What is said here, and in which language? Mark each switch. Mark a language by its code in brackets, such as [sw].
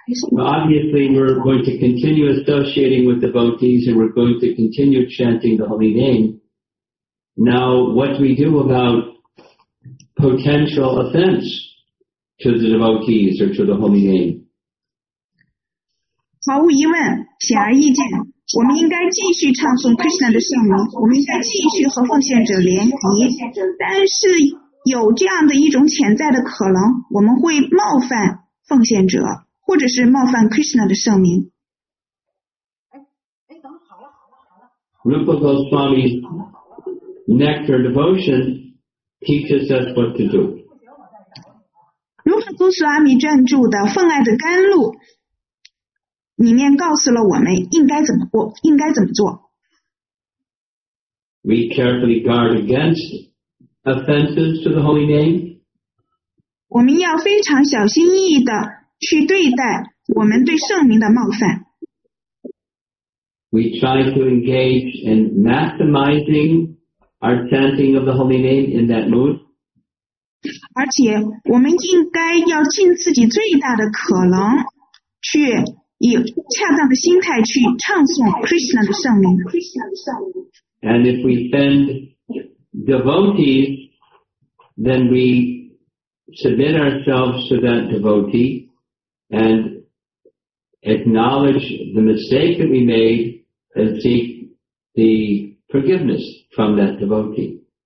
[en] Well, obviously, we're going to continue associating with devotees and we're going to continue chanting the holy name. Now, what do we do about potential offense to the devotees or to the holy name? [zh] 毫无疑问，显而易见，我们应该继续唱诵 Krishna 的圣名，我们应该继续和奉献者联谊，但是有这样的一种潜在的可能，我们会冒犯奉献者。或者是冒犯 Krishna 的圣名。 [en] Rupa Goswami's Nectar Devotion teaches us what to do. [zh] Rupa Goswami 撰著的《奉爱的甘露》里面告诉了我们应该怎么做。 [en] We carefully guard against offenses to the holy name. [zh] 我们要非常小心翼翼的去对待我们对圣名的冒犯。 [en] We try to engage in maximizing our chanting of the Holy Name in that mood. [zh] 而且我们应该要尽自己最大的可能去以恰当的心态去唱诵 Krishna 的圣名。 [en] And if we send devotees, then we submit ourselves to that devotee and acknowledge the mistake that we made and seek the forgiveness from that devotee.